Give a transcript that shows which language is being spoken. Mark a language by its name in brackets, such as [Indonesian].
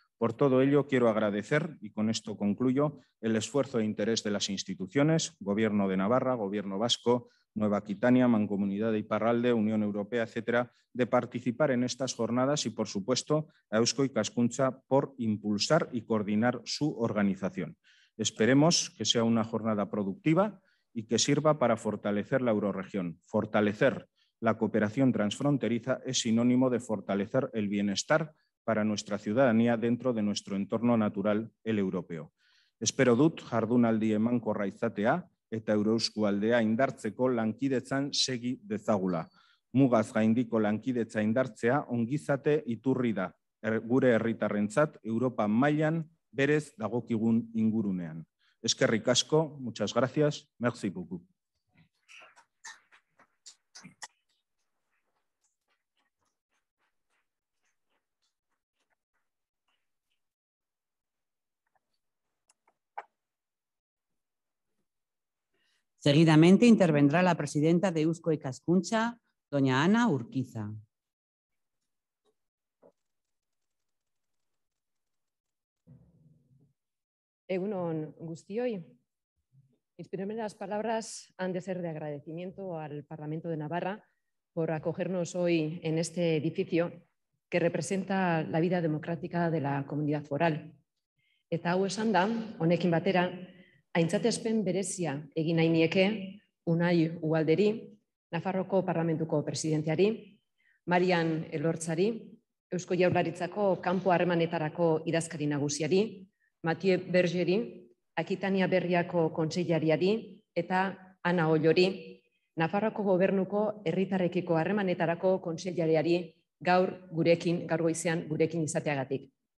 [Spanish] Por todo ello, quiero agradecer, y con esto concluyo, el esfuerzo e interés de las instituciones, Gobierno de Navarra, Gobierno Vasco, Nueva Aquitania, Mancomunidad de Iparralde, Unión Europea, etcétera, de participar en estas jornadas y, por supuesto, a Eusko Ikaskuntza por impulsar y coordinar su organización. Esperemos que sea una jornada productiva y que sirva para fortalecer la euroregión. Fortalecer la cooperación transfronteriza es sinónimo de fortalecer el bienestar para nuestra ciudadanía dentro de nuestro entorno natural, el europeo. [Basque] Espero dut jardunaldi emankorra izatea eta Euroeskualdea indartzeko lankidetzan segi dezagula. Mugaz gaindiko lankidetza indartzea ongizate iturri da gure herritarrentzat Europa mailan berez dagokigun ingurunean. Eskerrik asko, [Spanish] muchas gracias, [French] merci beaucoup. [Spanish] Seguidamente intervendrá la presidenta de Eusko Ikaskuntza, doña Ana Urquiza. [Basque] Egunon guztioi, [Spanish] mis primeras palabras han de ser de agradecimiento al Parlamento de Navarra por acogernos hoy en este edificio que representa la vida democrática de la comunidad foral. [Basque] Eta hau esanda, honekin batera, aintzatespen berezia egin nahi nieke Unai Ugalderi, Nafarroko Parlamentuko presidenteari, Marian Elortzari, Eusko Jaurlaritzako kanpo harremanetarako idazkari nagusiari, Mathieu Bergeri, Akitania Berriako kontseilariari eta Ana Ollori, Nafarroko Gobernuko herritarrekiko harremanetarako kontseilariari gaur goizean gurekin izateagatik.